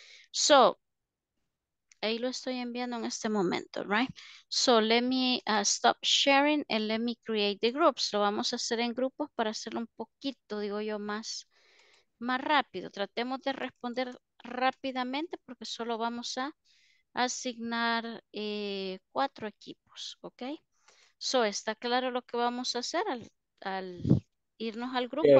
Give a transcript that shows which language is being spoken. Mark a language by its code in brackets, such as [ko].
[es] So, ahí lo estoy enviando en este momento, right? [en] So, let me stop sharing and let me create the groups. [es] Lo vamos a hacer en grupos para hacerlo un poquito, digo yo, más rápido. Tratemos de responder rápidamente porque solo vamos a asignar 4 equipos, ¿ok? So, ¿está claro lo que vamos a hacer al irnos al grupo? Yes.